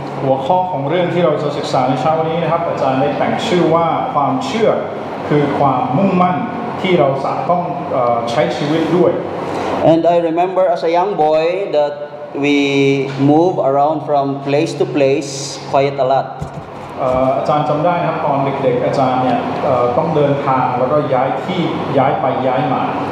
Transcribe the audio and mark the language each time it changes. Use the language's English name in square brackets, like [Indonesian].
[Thai] หัวข้อของเรื่องที่เราจะศึกษาในเช้านี้นะครับอาจารย์ได้แต่งชื่อว่าความเชื่อคือความมุ่งมั่นที่เราจะต้องใช้ชีวิตด้วย [English] And I remember as a young boy that we move around from place to place quite a lot [Thai] อาจารย์จำได้นะครับตอนเด็กๆอาจารย์เนี่ยต้องเดินทางแล้วก็ย้ายที่ย้ายไปย้ายมา